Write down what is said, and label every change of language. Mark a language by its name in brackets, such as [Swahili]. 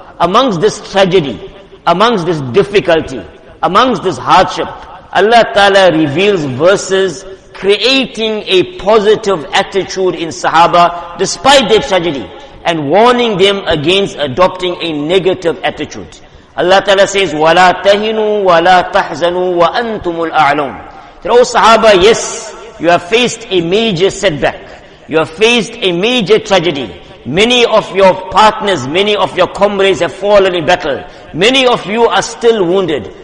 [English] Amongst this tragedy, amongst this difficulty, amongst this hardship, Allah Ta'ala reveals verses creating a positive attitude in Sahaba despite their tragedy, and warning them against adopting a negative attitude. Allah Ta'ala says, [Arabic] وَلَا تَهِنُوا وَلَا تَحْزَنُوا وَأَنْتُمُ الْأَعْلَوْنَ. [English] That, O Sahaba, yes, you have faced a major setback. You have faced a major tragedy. Many of your partners, many of your comrades have fallen in battle. Many of you are still wounded.